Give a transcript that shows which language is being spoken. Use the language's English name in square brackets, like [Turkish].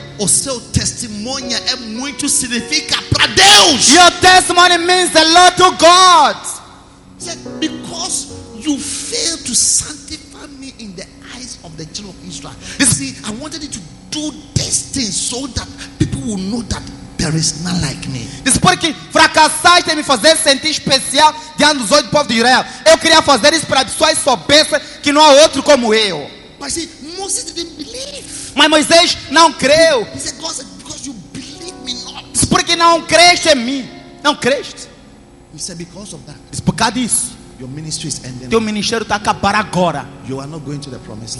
[Portuguese] O seu testemunho é muito significa para Deus. [English] Your testimony means a lot to God. Because you failed to sanctify me in the eyes of the children of Israel. You see, I wanted you to do this thing so that people will know that there is none like me. [Portuguese] Disse porque fracassar e me fazer sentir especial diante dos olhos do povo de Israel. Eu queria fazer isso para pessoas só pensa que não há outro como eu. [English] Mas Moses didn't believe. [Portuguese] Mas Moisés não creu. [English] He said, God said, because you believe me not. [Portuguese] Disse porque não creste em mim. Não creste. [English] He said, because of that. [Portuguese] Disse por causa disso. [English] Your ministry is ending. [Portuguese] Teu ministério está a acabar agora. [English] You are not going to the promised land.